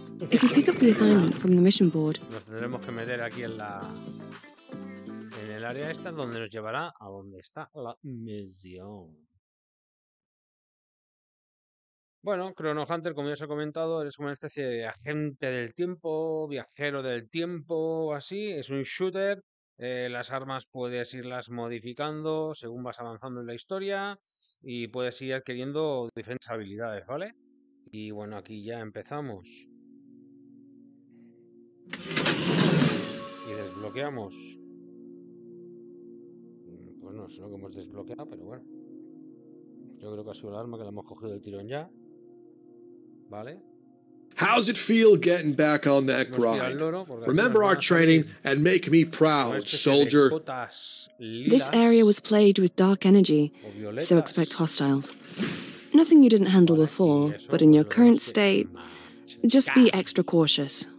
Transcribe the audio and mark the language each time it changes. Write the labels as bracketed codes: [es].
[en] If you pick up the assignment from the mission board, [es] nos tendremos que meter aquí en la en el área esta donde nos llevará a donde está la misión. Bueno, Chrono Hunter, como ya os he comentado, eres como una especie de agente del tiempo, viajero del tiempo, así. Es un shooter. Las armas puedes irlas modificando según vas avanzando en la historia y puedes ir adquiriendo diferentes habilidades, ¿vale? Y bueno, aquí ya empezamos. Y desbloqueamos. Pues no sé lo que hemos desbloqueado, pero bueno. Yo creo que ha sido la arma que la hemos cogido del tirón ya. ¿Vale? [en] How's it feel getting back on that grind? Remember our training and make me proud, soldier. This area was plagued with dark energy, so expect hostiles. Nothing you didn't handle before, but in your current state, just be extra cautious.